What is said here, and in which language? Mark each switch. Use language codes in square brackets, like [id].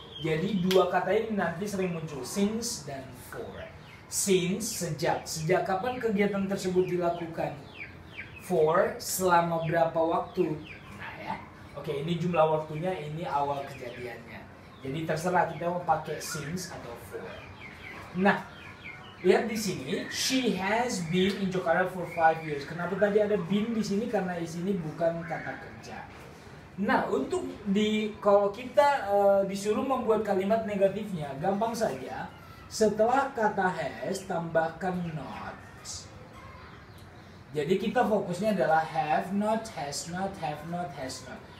[id] Jadi dua kata ini nanti sering muncul, since dan for. Since, sejak. Sejak kapan kegiatan tersebut dilakukan? For, selama berapa waktu? Nah ya, oke, ini jumlah waktunya, ini awal kejadiannya. Jadi terserah kita mau pakai since atau for. Nah, lihat di sini, [en] she has been in Jakarta for 5 years. [id] Kenapa tadi ada been di sini? Karena di sini bukan kata kerja. Nah, untuk di kalau kita disuruh membuat kalimat negatifnya, gampang saja. Setelah kata has, tambahkan not. Jadi kita fokusnya adalah have not, has not, have not, has not.